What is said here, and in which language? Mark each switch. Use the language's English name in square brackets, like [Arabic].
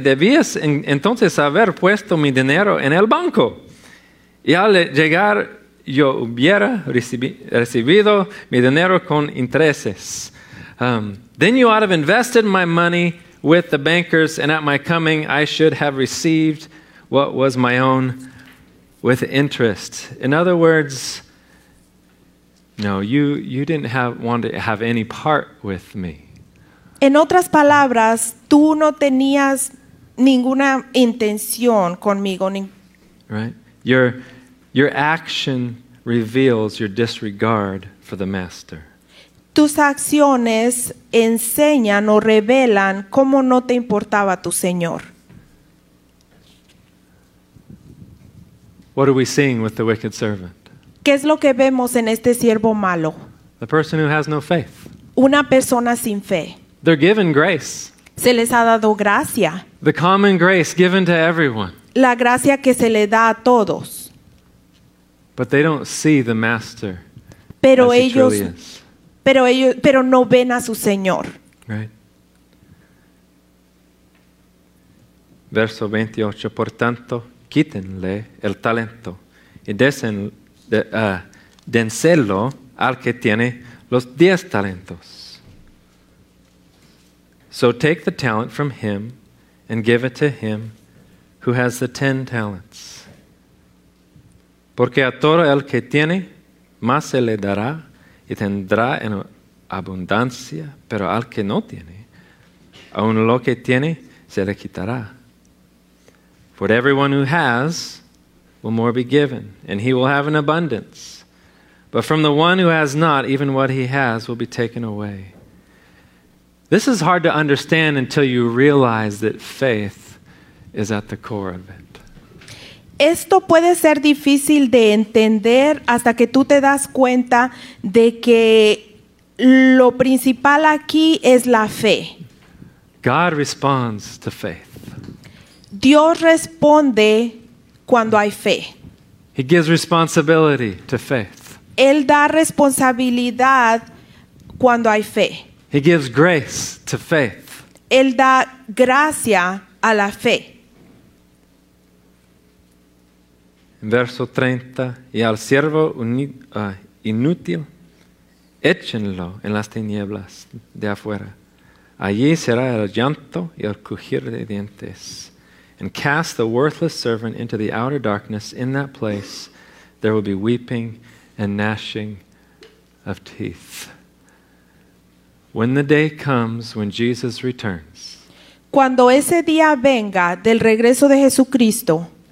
[Spanish] Debías entonces haber puesto mi dinero en el banco. Y al llegar, yo hubiera recibido mi dinero con intereses. [English] Then you ought to have invested my money with the bankers, and at my coming, I should have received what was my own with interest. In other words, no, you didn't want to have any part with me. [Spanish] En otras palabras, tú no tenías ninguna intención conmigo. [English] Right? Your action reveals your disregard for the master. [Spanish] Tus acciones enseñan o revelan cómo no te importaba tu Señor. [English] What are we seeing with the wicked servant? [Spanish] ¿Qué es lo que vemos en este siervo malo? [English] The person who has no faith. [Spanish] Una persona sin fe. [English] They're given grace. [Spanish] Se les ha dado gracia. [English] The common grace given to everyone. [Spanish] La gracia que se le da a todos. [English] But they don't see the master. [Spanish] Pero ellos no ven a su Señor. [English] Right. [Spanish] Verso 28. Por tanto, quítenle el talento y dénselo al que tiene los 10 talentos. [English] So take the talent from him and give it to him who has the 10 talents. [Spanish] Porque a todo el que tiene más se le dará y tendrá en abundancia, pero al que no tiene, aun lo que tiene se le quitará. [English] For everyone who has will more be given, and he will have an abundance. But from the one who has not, even what he has will be taken away. This is hard to understand until you realize that faith is at the core of it. [Spanish] Esto puede ser difícil de entender hasta que tú te das cuenta de que lo principal aquí es la fe. [English] God responds to faith. [Spanish] Dios responde cuando hay fe. [English] He gives responsibility to faith. [Spanish] Él da responsabilidad cuando hay fe. [English] He gives grace to faith. [Spanish] Él da gracia a la fe. Verso 30, y al siervo inútil, échenlo en las tinieblas de afuera. Allí será el llanto y el crujir de dientes. [English] And cast the worthless servant into the outer darkness. In that place, there will be weeping and gnashing of teeth. When the day comes, when Jesus returns, [Spanish] cuando ese día venga del regreso de Jesucristo,